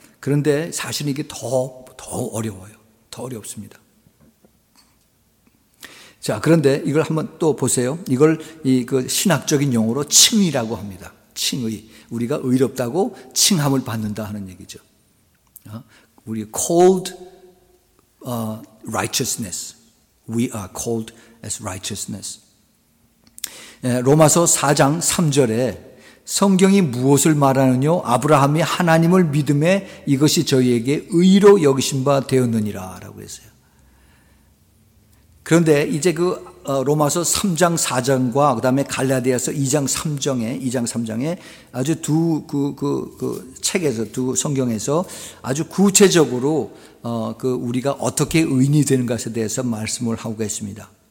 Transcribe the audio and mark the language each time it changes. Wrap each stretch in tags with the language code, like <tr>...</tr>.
<ko>그런데 사실 이게 더 어려워요. 더 어렵습니다. 자, 그런데 이걸 한번 또 보세요. 이걸 그 신학적인 용어로 칭의라고 합니다. 칭의. 우리가 의롭다고 칭함을 받는다 하는 얘기죠. 우리</ko> <en>called righteousness. We are called as righteousness.</en> <ko>로마서 4장 3절에 성경이 무엇을 말하느냐? 아브라함이 하나님을 믿음에 이것이 저희에게 의로 여기신 바 되었느니라 라고 했어요. 그런데 이제 그 로마서 3장 4장과 그 다음에 갈라디아서 2장 3장에 아주 두 그 책에서 두 성경에서 아주 구체적으로 그 우리가 어떻게 의인이 되는 것에 대해서 말씀을 하고 있습니다.</ko>